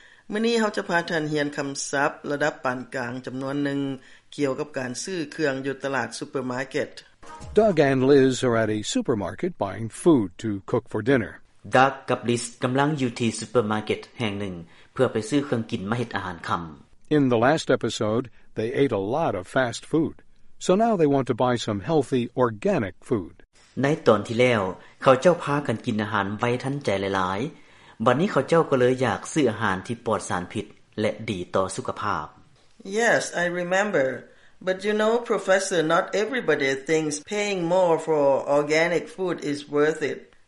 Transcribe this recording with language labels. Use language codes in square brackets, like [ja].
[th] มื้อนี้เราจะพาท่านเรียนคำศัพท์ระดับปานกลางจำนวนหนึ่งเกี่ยวกับการซื้อเครื่องอยู่ตลาดซูเปอร์มาร์เก็ต [en] Doug and Liz are at a supermarket buying food to cook for dinner [th] Doug กับ Liz กำลังอยู่ที่ซูเปอร์มาร์เก็ตแห่งหนึ่งเพื่อไปซื้อเครื่องกินมาเฮ็ดอาหารค่ำ [en] In the last episode, they ate a lot of fast food. So now they want to buy some healthy organic food. [th] ในตอนที่แล้วเขาเจ้าพากันกินอาหารไว้ทันใจหลายๆบัดนี้เขาเจ้าก็เลยอยากซื้ออาหารที่ปลอดสารพิษและดีต่อสุขภาพ [en] Yes, I remember. But you know, Professor, not everybody thinks paying more for organic food is worth it.